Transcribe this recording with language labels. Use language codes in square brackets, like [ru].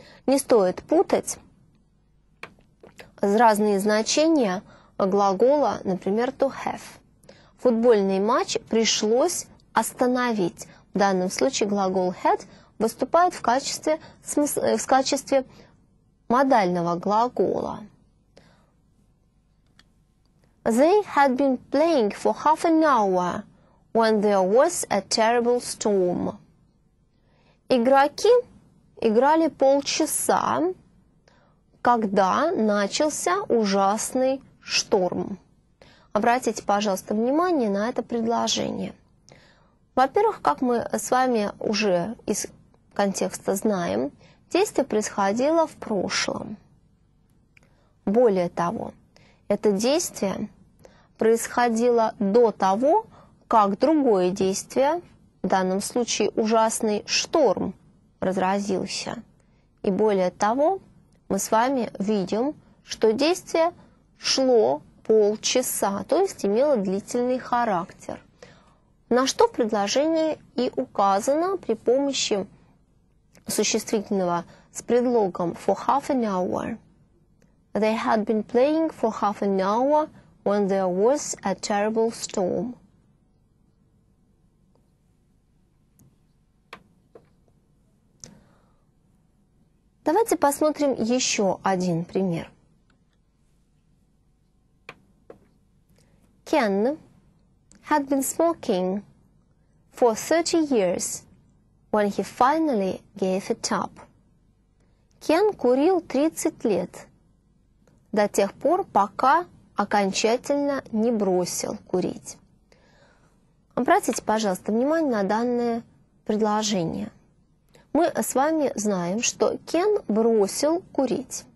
[ru] Не стоит путать разные значения глагола, например, to have. Футбольный матч пришлось остановить. В данном случае глагол had выступает в качестве модального глагола. [en] They had been playing for half an hour when there was a terrible storm. [ru] Игроки играли полчаса, когда начался ужасный шторм. Обратите, пожалуйста, внимание на это предложение. Во-первых, как мы с вами уже из контекста знаем, действие происходило в прошлом. Более того, это действие происходило до того, как другое действие, в данном случае ужасный шторм, разразился. И более того, мы с вами видим, что действие шло полчаса, то есть имело длительный характер. На что в предложении и указано при помощи существительного с предлогом [en] for half an hour. They had been playing for half an hour when there was a terrible storm. [ru] Давайте посмотрим еще один пример. [en] Ken had been smoking for 30 years when he finally gave it up. [ru] Ken курил 30 лет до тех пор, пока окончательно не бросил курить. Обратите, пожалуйста, внимание на данное предложение. Мы с вами знаем, что Кен бросил курить.